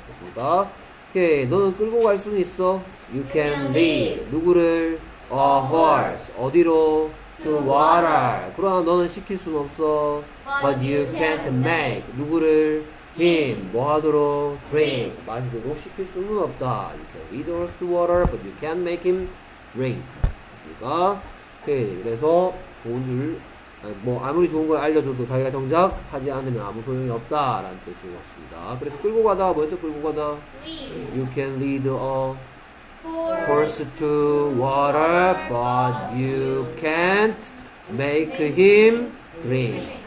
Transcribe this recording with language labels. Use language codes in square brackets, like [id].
[ko] 맞습니까? 오케이. 너는 끌고 갈 수는 있어. [en] you can lead [ko] 누구를? [en] a horse. [ko] 어디로? [en] to water. [ko] 그러나 너는 시킬 순 없어. [en] But you can't make [ko] 누구를 [en] him [ko] 뭐하도록 [en] drink [ko] 마시도록 시킬 수는 없다. [en] You can lead us to water, but you can't make him drink. [ko] 됐습니까? 오케이. 그래서 좋은 줄 뭐 아무리 좋은 걸 알려줘도 자기가 정작 하지 않으면 아무 소용이 없다라는 뜻인 것 같습니다. 그래서 끌고 가다 뭐였죠? 끌고 가다. [en] Lead. You can lead a horse to water, but you can't make him drink.